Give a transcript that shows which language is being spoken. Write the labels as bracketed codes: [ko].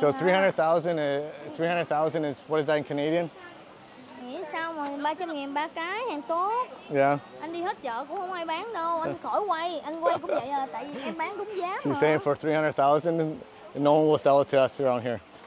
[en] So 300,000 is what is that in Canadian? [vi] Sao mà 300.000 ba cái hàng tốt. [en] Yeah. [vi] Anh đi hết chợ cũng không ai bán đâu. Anh khỏi quay, anh quay cũng vậy à. Tại vì em bán đúng giá. [en] She's saying for 300,000, no one will sell it to us around here.